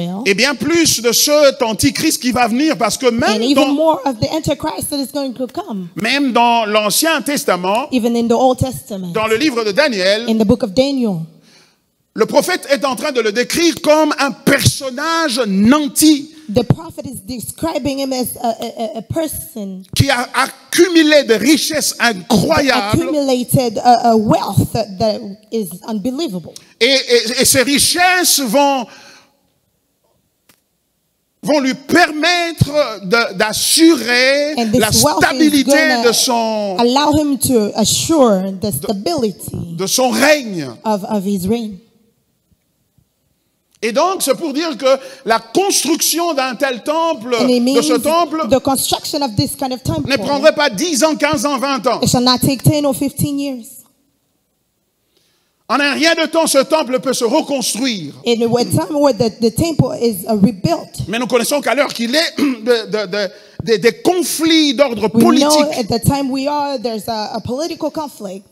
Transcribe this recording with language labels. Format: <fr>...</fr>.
<fr>Et bien plus de ce Antichrist qui va venir, parce que même dans l'Ancien Testament,</fr> <en>even in the Old Testament,</en> <fr>dans le livre de Daniel,</fr> <en>in the book of Daniel,</en> <fr>le prophète est en train de le décrire comme un personnage nanti.</fr> <en>The prophet is describing him as a person</en> <fr>qui a accumulé des richesses incroyables.</fr> <en>Accumulated a wealth that is unbelievable.</en> <fr>Et ces richesses vont lui permettre d'assurer la stabilité de son</fr> <en>allow him to assure the stability</en> <fr>de son règne</fr> <en>of his reign.</en> <fr>Et donc c'est pour dire que la construction d'un tel temple de ce temple</fr> <en>the construction of this kind of temple</en> <fr>ne prendrait pas 10 ans, 15 ans, 20 ans.</fr> <en>It shall not take 10 or 15 years.</en> <fr>En un rien de temps, ce temple peut se reconstruire.</fr> <en>In a time where the temple is rebuilt.</en> <fr>Mais nous connaissons qu'à l'heure qu'il est des conflits d'ordre politique.</fr> <en>We know at the time we are, there's a political conflict.</en>